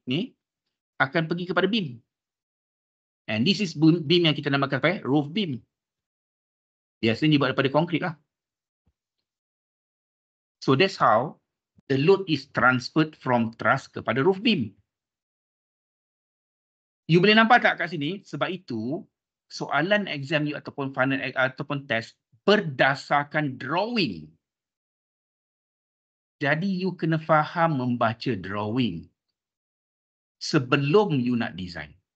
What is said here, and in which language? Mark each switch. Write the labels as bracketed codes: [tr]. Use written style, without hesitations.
[ms] Ni, akan pergi kepada beam. [en] And this is beam [ms] yang kita namakan apa ya? Roof beam. Biasanya dibuat daripada konkrit lah. [en] So that's how the load is transferred from truss kepada roof beam. [ms] You boleh nampak tak kat sini? Sebab itu, soalan exam you ataupun final ataupun test berdasarkan drawing. Jadi you kena faham membaca drawing sebelum you nak design.